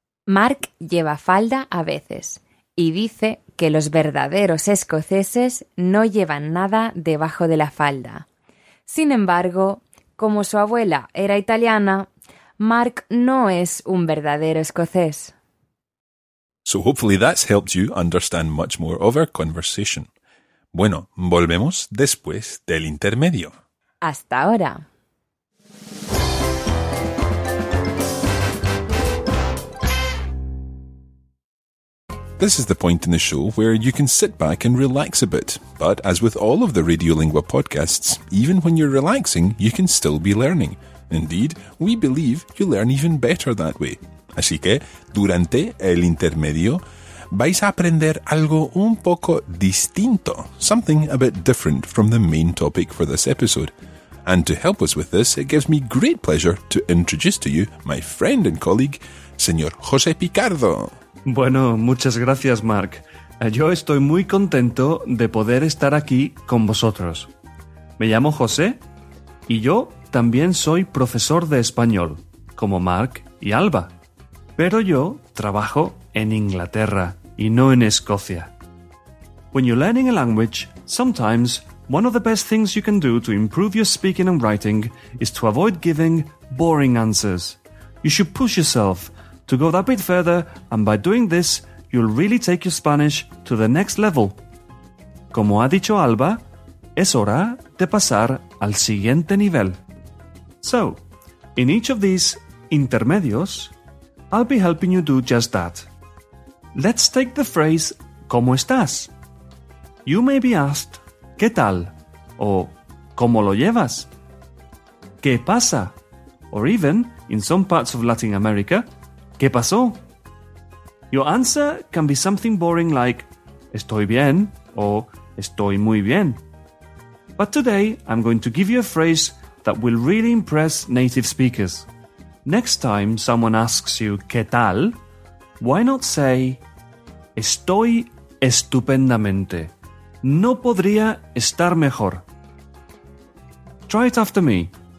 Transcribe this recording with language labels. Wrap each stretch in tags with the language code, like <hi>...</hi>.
<es>Marc lleva falda a veces y dice que los verdaderos escoceses no llevan nada debajo de la falda. Sin embargo, como su abuela era italiana, Mark no es un verdadero escocés.</es> <en>So hopefully that's helped you understand much more of our conversation.</en> <es>Bueno, volvemos después del intermedio. Hasta ahora.</es> <en>This is the point in the show where you can sit back and relax a bit. But as with all of the Radiolingua podcasts, even when you're relaxing, you can still be learning. Indeed, we believe you learn even better that way.</en> <es>Así que, durante el intermedio, vais a aprender algo un poco distinto,</es> <en>something a bit different from the main topic for this episode. And to help us with this, it gives me great pleasure to introduce to you my friend and colleague, Señor José Picardo.</en> <es>Bueno, muchas gracias, Mark. Yo estoy muy contento de poder estar aquí con vosotros. Me llamo José y yo también soy profesor de español, como Mark y Alba. Pero yo trabajo en Inglaterra y no en Escocia.</es> <en>When you're learning a language, sometimes one of the best things you can do to improve your speaking and writing is to avoid giving boring answers. You should push yourself to go that bit further, and by doing this, you'll really take your Spanish to the next level.</en> <es>Como ha dicho Alba, es hora de pasar al siguiente nivel.</es> <en>So, in each of these intermedios, I'll be helping you do just that. Let's take the phrase,</en> <es>¿cómo estás?</es> <en>You may be asked,</en> <es>¿qué tal? O, ¿cómo lo llevas? ¿Qué pasa?</es> <en>Or even, in some parts of Latin America,</en> <es>¿qué pasó?</es> <en>Your answer can be something boring like</en> <es>estoy bien o estoy muy bien.</es> <en>But today I'm going to give you a phrase that will really impress native speakers. Next time someone asks you</en> <es>¿qué tal?,</es> <en>why not say</en> <es>estoy estupendamente. No podría estar mejor.</es> <en>Try it after me.</en>